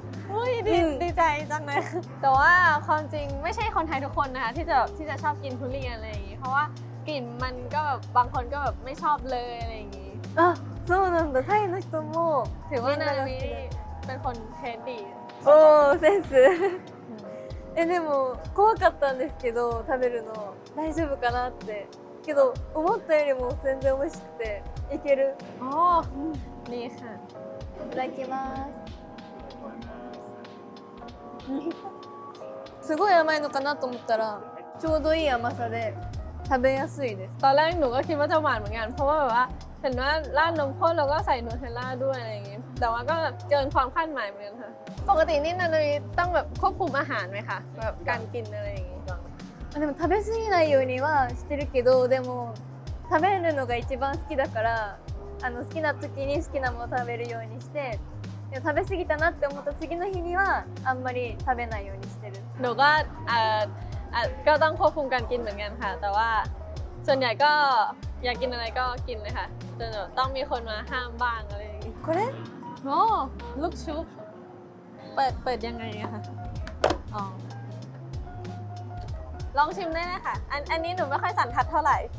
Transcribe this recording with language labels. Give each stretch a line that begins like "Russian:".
Thai: โอ้ยดีใจจังเลยแต่ว่าความจริงไม่ใช่คนไทยทุกคนนะคะที่จะชอบกินทุเรียนอะไรอย่างงี้เพราะว่ากลิ่นมันก็แบบบางคนก็แบบไม่ชอบเลยอะไรอย่างงี้
Japanese: อ่ะそうなんだタイの人も
Thai: ถือว่านานามิเป็นคนเทนดี
Japanese: โอ้เซนส์でも怖かったんですけど食べるの大丈夫かなってけど思ったよりも全然美味しくていけるあねえさんいただきますすごい甘いのかなと思ったらちょうどいい甘さで食べやすいです。
Thai: ตอนแรกหนูก็คิดว่าจะหวานเหมือนกันเพราะว่าแบบว่าเห็นว่าร้านนมข้นแล้วก็ใส่นูเทลล่าด้วยอะไรอย่างงี้แต่ว่าก็เกินความคาดหมายเหมือนกัน ค่ะ ปกตินี่นันนี่ต้องแบบควบคุมอาหารไหมคะแบบการกินอะไรอย่างงี้
Japanese: でも食べ過ぎないようにはしてるけどでも食べるのが一番好きだから好きな時に好きなもの食べるようにして食べ過ぎたなって思った次の日にはあんまり食べないようにしてるのが
Thai: ก็ต้องควบคุมการกินเหมือนกันค่ะแต่ว่าส่วนใหญ่ก็อยากกินอะไรก็กินเลยค่ะจนต้องมีคนมาห้ามบ้างอะไรอย่างงี้
Japanese: これ
Thai: โอ้ลูกชุบ เปิดยังไงอะค่ะลองชิมได้เลยค่ะอันนี้หนูไม่ค่อยสันทัดเท่าไหร่